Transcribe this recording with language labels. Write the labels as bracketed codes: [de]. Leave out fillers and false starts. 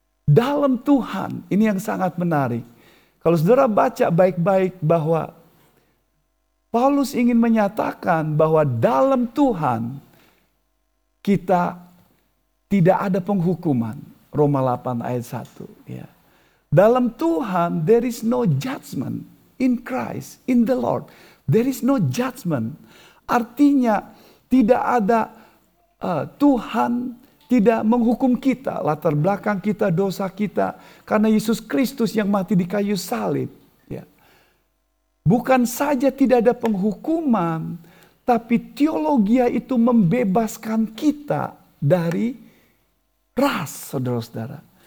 [id] Dalam Tuhan, ini yang sangat menarik. Kalau saudara baca baik-baik bahwa Paulus ingin menyatakan bahwa dalam Tuhan kita tidak ada penghukuman. Roma 8 ayat 1, ya. Dalam Tuhan, [en] there is no judgment in Christ, in the Lord. There is no judgment. [id] Artinya, tidak ada Tuhan tidak menghukum kita, latar belakang kita, dosa kita. Karena Yesus Kristus yang mati di kayu salib. Ya. Bukan saja tidak ada penghukuman, tapi teologi itu membebaskan kita dari ras, saudara-saudara.